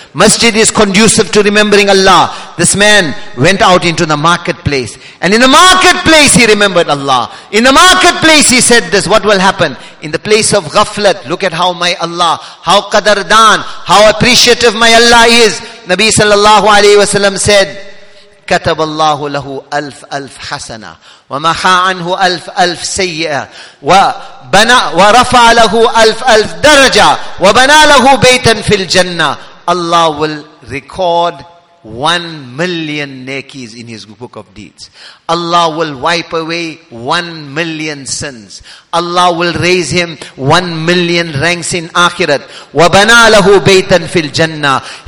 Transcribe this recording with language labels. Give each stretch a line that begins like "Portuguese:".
English: Masjid is conducive to remembering Allah. This man went out into the marketplace. And in the marketplace he remembered Allah. In the marketplace he said this. What will happen? In the place of ghaflat, look at how my Allah, how qadardan, how appreciative my Allah is. Nabi sallallahu alayhi wa sallam said,
Arabic: كَتَبَ اللَّهُ لَهُ أَلْفْ أَلْفْ حَسَنًا وَمَحَا عَنْهُ أَلْفْ أَلْفْ سَيِّئًا وَرَفَعَ لَهُ أَلْفْ أَلْفْ دَرَجًا وَبَنَى لَهُ بَيْتًا فِي الْجَنَّةِ.
English: Allah will record 1 million nekis in his book of deeds. Allah will wipe away 1 million sins. Allah will raise him 1 million ranks in akhirat.
Arabic: وَبَنَى لَهُ بَيْتًا فِي الْجَنَّةِ.